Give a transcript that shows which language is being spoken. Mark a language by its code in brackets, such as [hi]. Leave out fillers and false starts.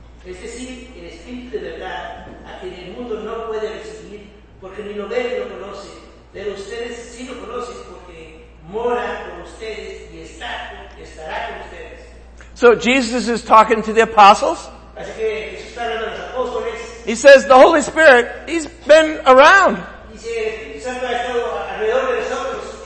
[es] Es decir, el Espíritu de verdad, a quien el mundo no puede recibir, porque ni lo ve ni lo conoce, pero ustedes sí lo conocen porque mora con ustedes y está, estará con ustedes. [en] So Jesus is talking to the apostles. [es] Así que Jesús está hablando a los apóstoles. [en] He says the Holy Spirit, he's been around. [es] Dice, el Espíritu Santo ha estado alrededor de nosotros.